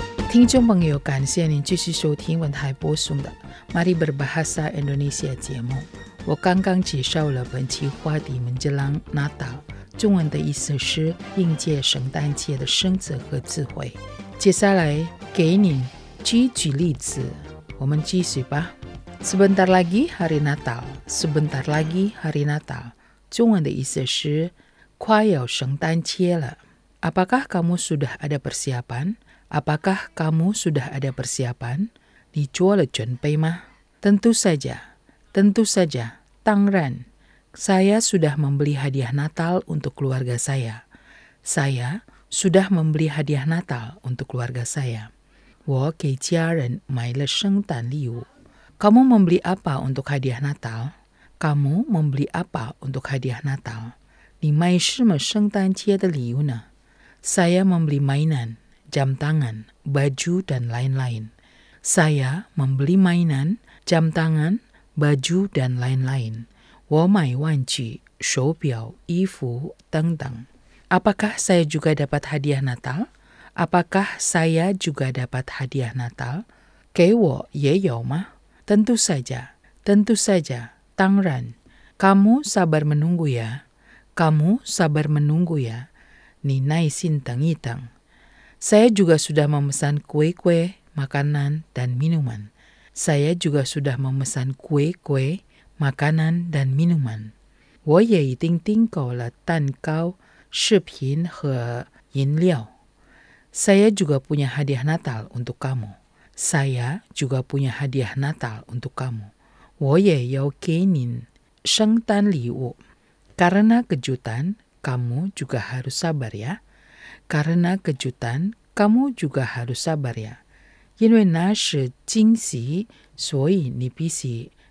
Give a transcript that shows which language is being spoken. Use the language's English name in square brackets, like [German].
[Chinese] 听众朋友，感谢您继续收听文台播送的 Mari Berbahasa Indonesia 节目。我刚刚介绍了本期话题 [Indonesian] Menjelang Natal， [Chinese] 中文的意思是应届圣诞节的生字和智慧。接下来给您举举例子，我们继续吧。 [Indonesian] Sebentar lagi hari Natal， Sebentar lagi hari Natal， [Chinese] 中文的意思是快要圣诞节了。 [Indonesian] Apakah kamu sudah ada persiapan？ Apakah kamu sudah ada persiapan？ [Chinese] 你做了准备吗？ [Indonesian] Tentu saja， Tentu saja， [Chinese] 当然。 [Indonesian] Saya sudah membeli hadiah Natal untuk keluarga saya. Saya sudah membeli hadiah Natal untuk keluarga saya. [Chinese] 我给家人买了圣诞礼物。 [Indonesian] Kamu membeli apa untuk hadiah Natal? Kamu membeli apa untuk hadiah Natal? [Chinese] 你买什么圣诞节的礼物呢？ [Indonesian] Saya membeli mainan, jam tangan, baju dan lain-lain. Saya membeli mainan, jam tangan, baju dan lain-lain. [Chinese] 我买玩具、手表、衣服等等。 [Indonesian] Apakah saya juga dapat hadiah Natal? Apakah saya juga dapat hadiah Natal? [Chinese] 给我也有吗？ [Indonesian] Tentu saja, tentu saja, [Chinese] 当然。 [Indonesian] Kamu sabar menunggu ya, kamu sabar menunggu ya, [Chinese] 你耐心等一等。 [Indonesian] Saya juga sudah memesan kue-kue, makanan dan minuman. Saya juga sudah memesan kue-kue. Makanan dan minuman. [Chinese] 我也已经订购了蛋糕、食品和饮料。 [Indonesian] Saya juga punya hadiah Natal untuk kamu. Saya juga punya hadiah Natal untuk kamu. [Chinese] 我也要给您圣诞礼物。 [Indonesian] Karena kejutan, kamu juga harus sabar ya. Karena kejutan, kamu juga harus sabar ya. [Chinese] 因为那是惊喜，所以你必须